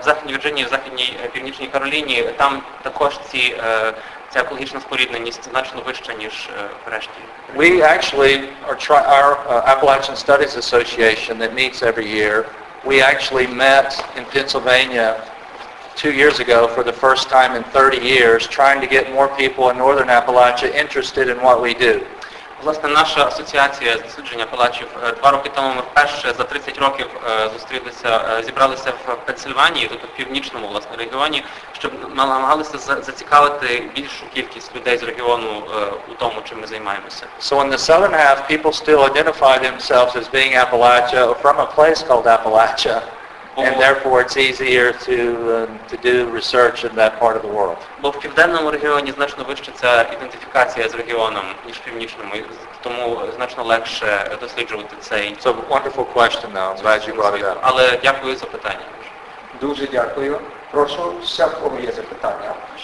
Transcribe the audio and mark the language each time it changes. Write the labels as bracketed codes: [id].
[uk] В Західній Вірджинії, в Західній Північній Кароліні, там також ці ця екологічна спорідненість значно вища, ніж в решті. [en] We actually, our Appalachian Studies Association that meets every year, we actually met in Pennsylvania 2 years ago for the first time in 30 years, trying to get more people in Northern Appalachia interested in what we do. [uk] Власне, наша асоціація з дослідження Апалачів 2 роки тому ми вперше за 30 років зібралися в Пенсильванії, тобто в північному, власне, регіоні, щоб намагалися зацікавити більшу кількість людей з регіону у тому, чим ми займаємося. [en] So in the southern half, people still identify themselves as being Appalachia or from a place called Appalachia, and therefore it's easier to do research in that part of the world. [uk] Бо в південному регіоні значно вища ця ідентифікація з регіоном, ніж в північному, тому значно легше досліджувати цей. [en] So wonderful question, though. Glad you brought it up. [uk] Але дякую за питання. Дуже дякую. Прошу, ще в кого є запитання?